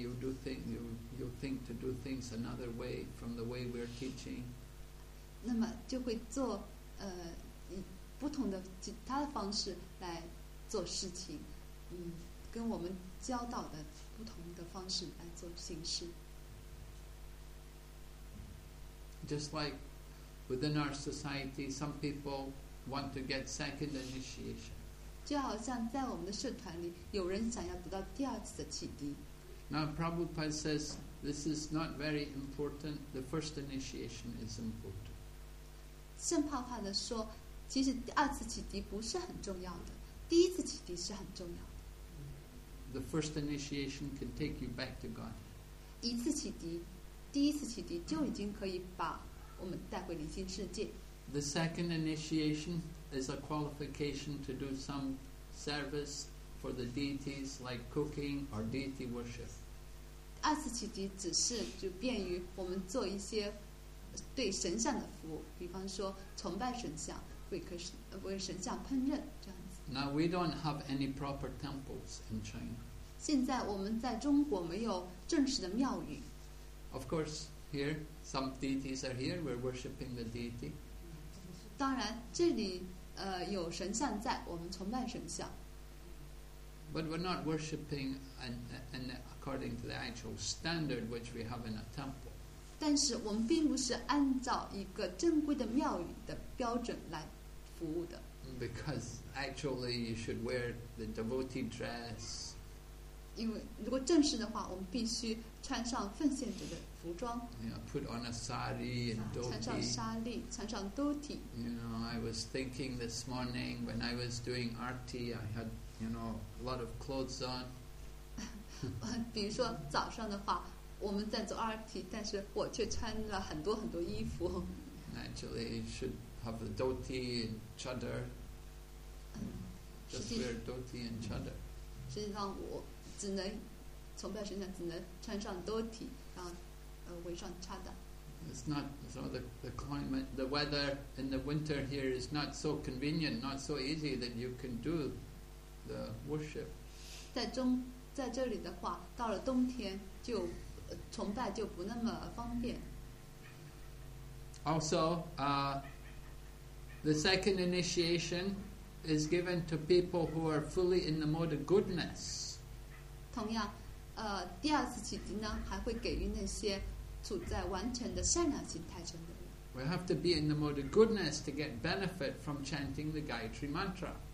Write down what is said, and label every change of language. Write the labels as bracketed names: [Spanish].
[English] You think to do things another way from the way we're teaching. [Chinese] 那么就会做不同的其他的方式来做事情，跟我们教导的不同的方式来做行事。 [English] Just like within our society, some people want to get second initiation. [Chinese] 就好像在我们的社团里，有人想要得到第二次的启迪。 [English] Now Prabhupada says this is not very important. The first initiation is important. [Chinese] 圣帕帕的说，其实第二次启迪不是很重要的，第一次启迪是很重要的。 [English] The first initiation can take you back to God. [Chinese] 一次启迪，第一次启迪就已经可以把我们带回灵性世界。 [English] The second initiation is a qualification to do some service for the deities, like cooking or deity worship. [Chinese] 二次启迪只是就便于我们做一些对神像的服务，比方说崇拜神像，为神像烹饪这样。 [English] Now we don't have any proper temples in China. [Chinese] 现在我们在中国没有正式的庙宇。 [English] Of course, here some deities are here. We're worshiping the deity. [Chinese] 当然，这里有神像在，我们崇拜神像。 [English] But we're not worshiping an according to the actual standard which we have in a temple. [Chinese] 但是我们并不是按照一个正规的庙宇的标准来服务的。 [English] Because actually, you should wear the devotee dress. [Chinese] 因为如果正式的话，我们必须穿上奉献者的服装。 [English] Yeah, put on a sari and dhoti. [Chinese] 穿上纱丽，穿上 dhoti. [English] You know, I was thinking this morning when I was doing arti, I had, you know, a lot of clothes on. [Chinese] 比如说早上的话，我们在做 arti, 但是我却穿了很多很多衣服。 [English] Actually, you should have the dhoti and chadar. Just wear dhoti and chadar. [Chinese] 实际上我只能崇拜神像，只能穿上 dhoti， 然后围上 chadar。 [English] It's not so the climate, the weather in the winter here is not so convenient, not so easy that you can do the worship. [Chinese] 在这里的话，到了冬天就崇拜就不那么方便。 [English] Also, the second initiation is given to people who are fully in the mode of goodness. [Chinese] 同样，第二次启迪呢，还会给予那些处在完全的善良心态中的人。 [English] We have to be in the mode of goodness to get benefit from chanting the Gayatri Mantra.